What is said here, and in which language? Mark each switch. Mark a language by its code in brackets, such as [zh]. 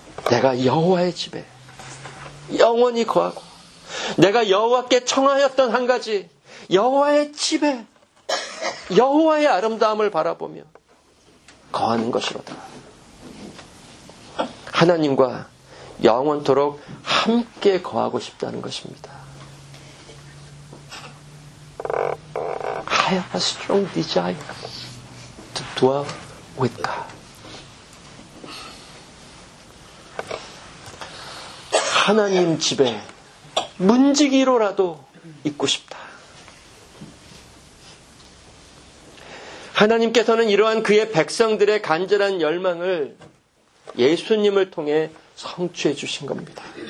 [ko] 내가 여호와의 집에 영원히 거하고 내가 여호와께 청하였던 한 가지 여호와의 집에 여호와의 아름다움을 바라보며 거하는 것이로다. 하나님과 영원토록 함께 거하고 싶다는 것입니다. [en] I have a strong desire to dwell with God. [ko] 하나님 집에 문지기로라도 있고 싶다. 하나님께서는 이러한 그의 백성들의 간절한 열망을 예수님을 통해 성취해 주신 겁니다.